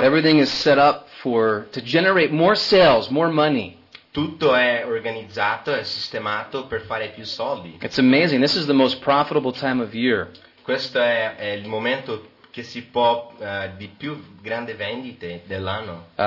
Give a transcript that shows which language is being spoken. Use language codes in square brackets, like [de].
[en] Everything is set up to generate more sales, more money. [it] Tutto è organizzato, è sistemato per fare più soldi. [en] It's amazing. This is the most profitable time of year. [it] Questo è il momento che si può di più grande vendite dell'anno.